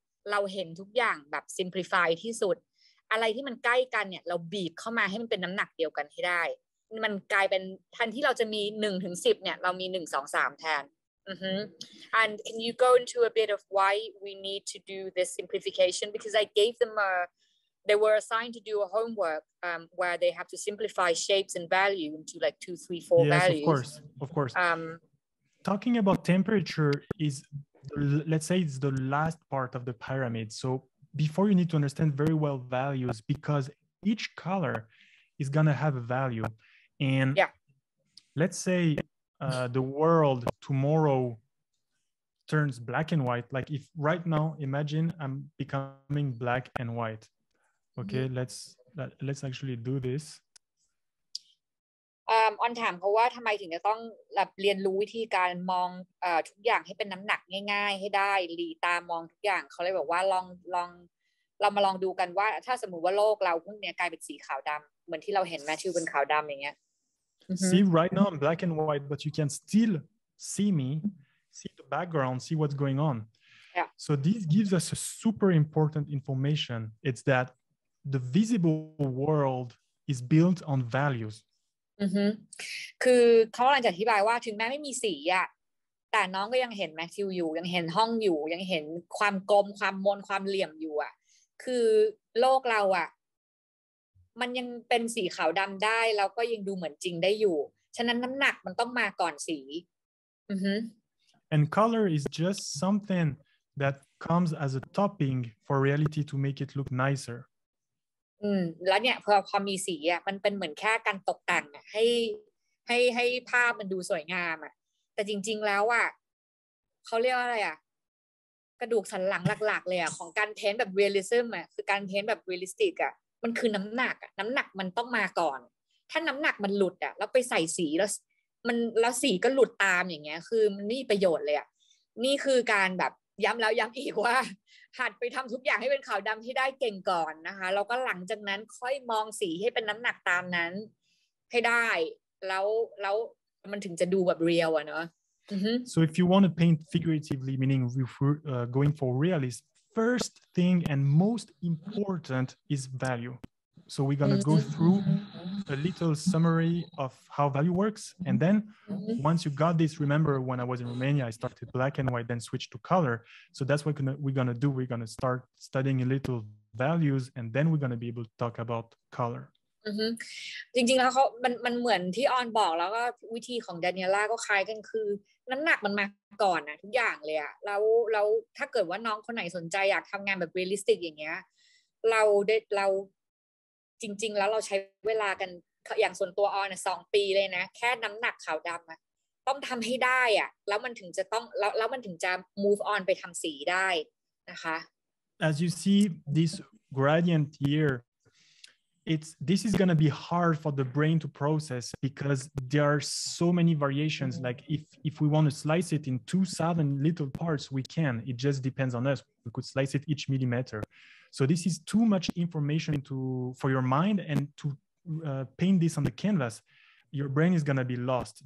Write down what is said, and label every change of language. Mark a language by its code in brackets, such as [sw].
[th] เราเห็นทุกอย่างแบบซิมพลิฟายที่สุดอะไรที่มันใกล้กันเนี่ยเราบีบเข้ามาให้มันเป็นน้ำหนักเดียวกันให้ได้มันกลายเป็นแทนที่เราจะมี1ถึง10เนี่ยเรามี1 2 3แทนอือฮึ [en] and can you go into a bit of why we need to do this simplification because I gave them they were assigned to do a homework where they have to simplify shapes and value into like 2 3 4 yes, values of course talking about temperature is let's say it's the last part of the pyramid so before you need to understand very well values because each color is going to have a value and yeah. let's say the world tomorrow turns black and white. Like if right now, imagine I'm becoming black and white. Okay, mm-hmm. let's actually do this. [th] On ถามเขาว่าทำไมถึงจะต้องแบบเรียนรู้วิธีการมองทุกอย่างให้เป็นน้ำหนักง่ายๆให้ได้ลีตามองทุกอย่างเขาเลยบอกว่าลองเรามาลองดูกันว่าถ้าสมมุติว่าโลกเราพวกเนี้ยกลายเป็นสีขาวดำเหมือนที่เราเห็นแมทธิวเป็นขาวดำอย่างเงี้ย [en] See right now I'm black and white but you can still see me see the background see what's going on yeah. So this gives us a super important information it's that the visible world is built on values [th] คือเขากำลังจะอธิบายว่าถึงแม้ไม่มีสีอะแต่น้องก็ยังเห็นแมทธิวอยู่ยังเห็นห้องอยู่ยังเห็นความกลมความมนความเหลี่ยมอยู่อะคือโลกเราอะมันยังเป็นสีขาวดำได้แล้วก็ยังดูเหมือนจริงได้อยู่ฉะนั้นน้ำหนักมันต้องมาก่อนสี [en] And color is just something that comes as a topping for reality to make it look nicer [th] แล้วเนี่ยพอมีสีอ่ะมันเป็นเหมือนแค่การตกแต่งให้ภาพมันดูสวยงามอ่ะแต่จริงๆแล้วอ่ะเขาเรียกว่าอะไรอ่ะกระดูกสันหลังหลักๆเลยอ่ะของการเทนแบบเรียลลิซึมอ่ะคือการเทนแบบเรียลลิสติกอ่ะมันคือน้ำหนักน้ำหนักมันต้องมาก่อนถ้าน้ำหนักมันหลุดอ่ะแล้วไปใส่สีแล้วมันแล้วสีก็หลุดตามอย่างเงี้ยคือมันไม่มีประโยชน์เลยอ่ะนี่คือการแบบย้ำแล้วย้ำอีกว่า หัดไปทำทุกอย่างให้เป็นขาวดำที่ได้เก่งก่อนนะคะแล้วก็หลังจากนั้นค่อยมองสีให้เป็นน้ำหนักตามนั้นให้ได้แล้วมันถึงจะดูแบบเรียลอะเนาะ [en] So if you want to paint figuratively meaning going for realist first thing and most important is value so we're gonna go through a little summary of how value works and then once you got this remember when I was in Romania I started black and white then switched to color so that's what we're gonna do we're gonna start studying a little values and then we're gonna be able to talk about color [th] จริงๆแล้วเขามันเหมือนที่ออนบอกแล้วก็วิธีของดานิเอล่าก็คล้ายกันคือน้ำหนักมันมาก่อนนะทุกอย่างเลยอะเราถ้าเกิดว่าน้องคนไหนสนใจอยากทำงานแบบเรียลลิสติกอย่างเงี้ยเราจริงๆแล้วเราใช้เวลากันอย่างส่วนตัวออนน่ะ2ปีเลยนะแค่น้ำหนักขาวดำอ่ะต้องทำให้ได้อ่ะแล้วมันถึงจะต้องแล้วมันถึงจะ [en] move on [th] ไปทำสีได้นะคะ [en] As you see this gradient here this is going to be hard for the brain to process because there are so many variations like if we want to slice it in 2,000 little parts we can it just depends on us we could slice it each millimeter So this is too much information for your mind and to paint this on the canvas, your brain is going to be lost.